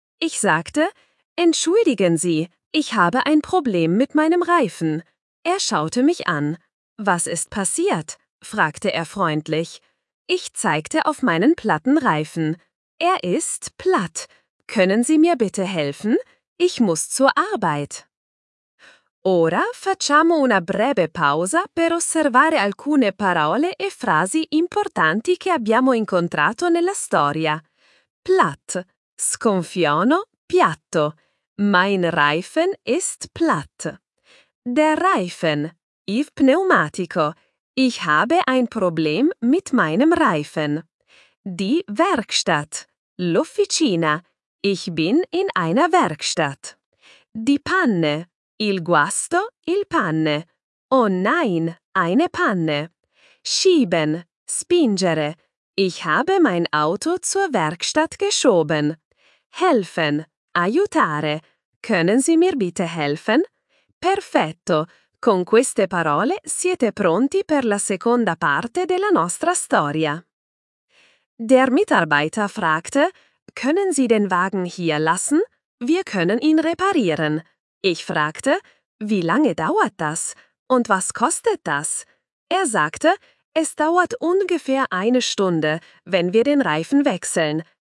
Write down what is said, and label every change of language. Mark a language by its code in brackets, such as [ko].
[de] Ich sagte: "Entschuldigen Sie, ich habe ein Problem mit meinem Reifen." Er schaute mich an. "Was ist passiert?", fragte er freundlich. Ich zeigte auf meinen platten Reifen. "Er ist platt. Können Sie mir bitte helfen? Ich muss zur Arbeit." [it] Ora facciamo una breve pausa per osservare alcune parole e frasi importanti che abbiamo incontrato nella storia. Platt, sconfiono, piatto. [de] Mein Reifen ist platt. Der Reifen, [it] il pneumatico. [de] Ich habe ein Problem mit meinem Reifen. Die Werkstatt, [it] l'officina. [de] Ich bin in einer Werkstatt. Die Panne. [it] Il guasto, il panne. [de] Oh nein, eine Panne. Schieben, spingere. Ich habe mein Auto zur Werkstatt geschoben. Helfen, aiutare. Können Sie mir bitte helfen? [it] Perfetto. Con queste parole siete pronti per la seconda parte della nostra storia. [de] Der Mitarbeiter fragte: "Können Sie den Wagen hier lassen? Wir können ihn reparieren." Ich fragte: "Wie lange dauert das? Und was kostet das?" Er sagte: "Es dauert ungefähr eine Stunde, wenn wir den Reifen wechseln.